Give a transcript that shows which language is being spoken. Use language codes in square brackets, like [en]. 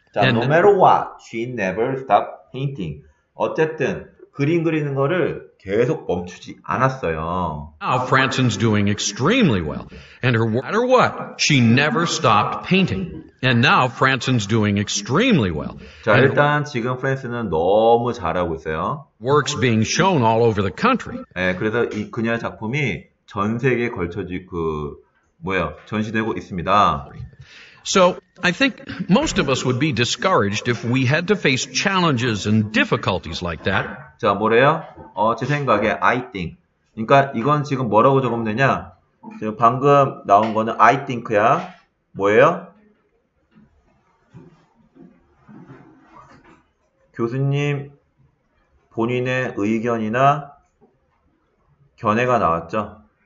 [en] 자, no matter what, she never stopped painting. [ko] 어쨌든 그림 그리는 거를 계속 멈추지 않았어요. [en] Now Franzen's doing extremely well. And her no matter what, she never stopped painting. And now Franzen's doing extremely well. [ko] 자, 일단 지금 프랜슨은 너무 잘하고 있어요. [en] Works being shown all over the country. [ko] 네, 그래서 이 그녀의 작품이 전 세계에 걸쳐지 그 뭐야, 전시되고 있습니다. [en] So, I think most of us would be discouraged if we had to face challenges and difficulties like that. [ko] 자, 뭐래요? 제 생각에 [en] I think. [ko] 그러니까 이건 지금 뭐라고 적으면 되냐? 지금 방금 나온 거는 [en] I think [ko] 야. 뭐예요? 교수님 본인의 의견이나 견해가 나왔죠.